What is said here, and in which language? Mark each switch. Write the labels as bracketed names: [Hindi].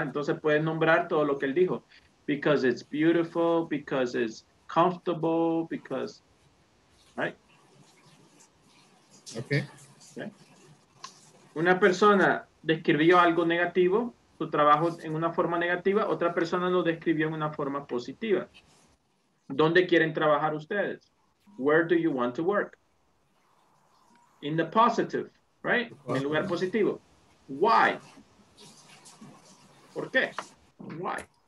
[Spanish] Entonces puedes nombrar todo lo que él dijo. [English] Because it's beautiful, because it's comfortable, because, right? Okay. [Spanish] Una persona describió algo negativo, su trabajo en una forma negativa, otra persona lo describió en una forma positiva. ¿Dónde quieren trabajar ustedes? [English] Where do you want to work? In the positive, right? [Spanish] En lugar positivo. [English] Why? [Spanish] ¿Por qué? [English] Why?